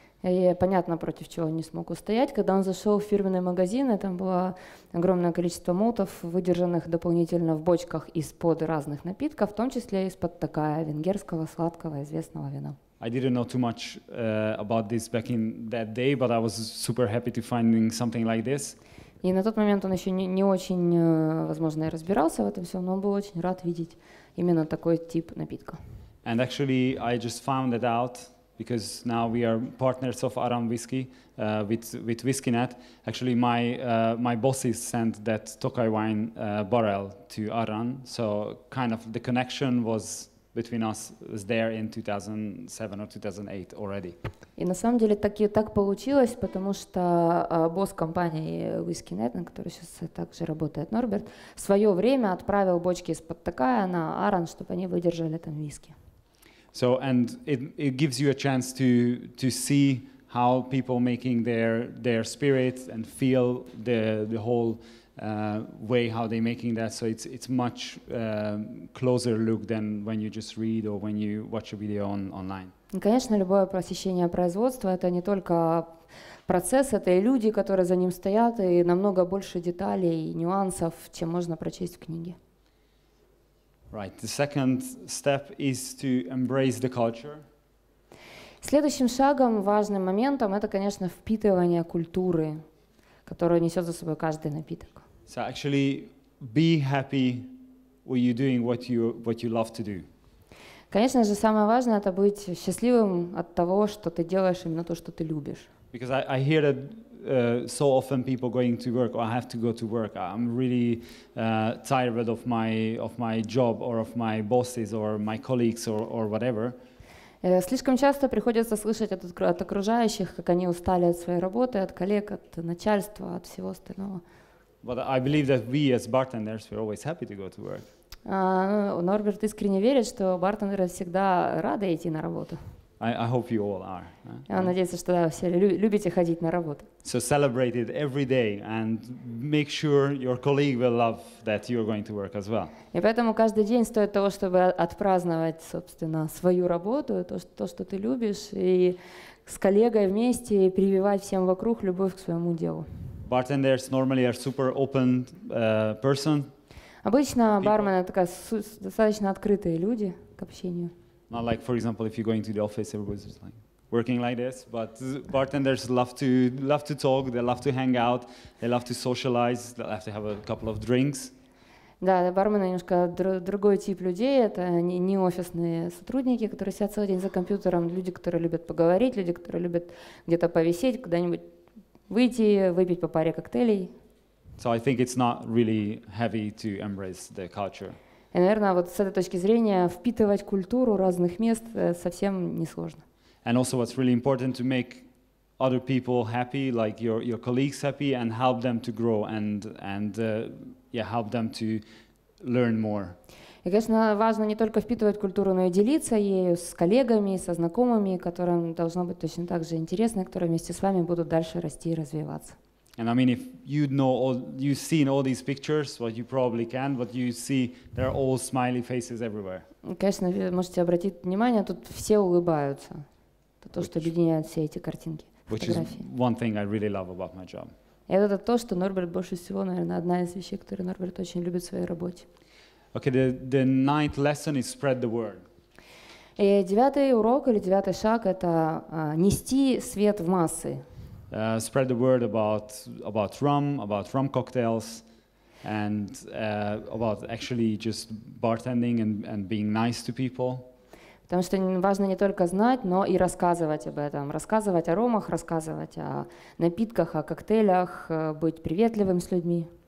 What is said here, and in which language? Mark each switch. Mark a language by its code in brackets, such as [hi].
[ru] И понятно, против чего он не смог устоять. Когда он зашел в фирменный магазин, и там было огромное количество молтов, выдержанных дополнительно в бочках из-под разных напитков, в том числе из-под такая венгерского сладкого известного вина. [en] I didn't know too much about this back in that day, but I was super happy to finding something like this. [ru] И на тот момент он еще не очень, возможно, и разбирался в этом всем, но он был очень рад видеть именно такой тип напитка. [en] And actually, I just found it out. Because now we are partners of Arran Whiskey with Whiskeynet. Actually, my bosses sent that Tokaj wine barrel to Arran, so kind of the connection was between us was there in 2007 or 2008 already. [ru] И на самом деле так получилось, потому что босс компании WhiskeyNet, на которой сейчас также работает Norbert, в свое время отправил бочки из-под такая на Аран, чтобы они выдержали там виски. [en] So and it gives you a chance to see how people making their spirit and feel the whole way how they making that. So it's much closer look than when you just read or when you watch a video online. [ru] Конечно, любое посещение производства это не только процесс, это и люди, которые за ним стоят, и намного больше деталей и нюансов, чем можно прочесть в книге. [en] Right. The second step is to embrace the culture. [ru] Следующим шагом, важным моментом, это, конечно, впитывание культуры, которую несет за собой каждый напиток. [en] So actually, be happy when you're doing what you love to do. [ru] Конечно же, самое важное — это быть счастливым от того, что ты делаешь именно то, что ты любишь. [en] Because I hear that so often people going to work, or I have to go to work. I'm really tired of my job or of my bosses or my colleagues or whatever. [ru] Слишком часто приходится слышать от окружающих, как они устали от своей работы, от коллег, от начальства, от всего остального. [en] But I believe that we as bartenders we're always happy to go to work. [ru] Норберт искренне верит, что бартендеры всегда рады идти на работу. [en] I hope you all are. [ru] Я надеюсь, что все любите ходить на работу. [en] So celebrate it every day and make sure your colleague will love that you're going to work as well. [ru] И поэтому каждый день стоит того, чтобы отпраздновать, собственно, свою работу, то, что ты любишь, и с коллегой вместе прививать всем вокруг любовь к своему делу. [en] Bartenders normally are super open person. [ru] Обычно бармены достаточно открытые люди к общению. [en] Not like, for example, if you're going to the office, everybody's just like working like this. But bartenders love to talk. They love to hang out. They love to socialize. They love to have a couple of drinks. [ru] Да, бармены немножко другой тип людей. Это не офисные сотрудники, которые сидят целый день за компьютером. Люди, которые любят поговорить, люди, которые любят где-то повисеть, куда-нибудь выйти, выпить по паре коктейлей. [en] So I think it's not really heavy to embrace the culture. [ru] И, наверное, вот с этой точки зрения впитывать культуру разных мест совсем несложно. [en] And also what's really important to make other people happy, like your colleagues happy, and help them to grow and help them to learn more. [ru] И, конечно, важно не только впитывать культуру, но и делиться ею с коллегами, со знакомыми, которым должно быть точно так же интересно, которые вместе с вами будут дальше расти и развиваться. [en] And I mean, if you know, you've seen all these pictures, what you probably can, what you see, there are all smiley faces everywhere. [ru] Конечно, вы можете обратить внимание, тут все улыбаются. Это то, что объединяет все эти картинки, фотографии. [en] Which is one thing I really love about my job. [ru] Это то, что Норберт больше всего, наверное, одна из вещей, которые Норберт очень любит в своей работе. [en] Okay, the ninth lesson is spread the word. [ru] И девятый урок или девятый шаг — это нести свет в массы. [en] Spread the word about rum cocktails, and about actually just bartending and being nice to people. [ru] Потому что важно не только знать, но и рассказывать об этом, рассказывать о ромах, рассказывать о напитках, о коктейлях, быть приветливым с людьми.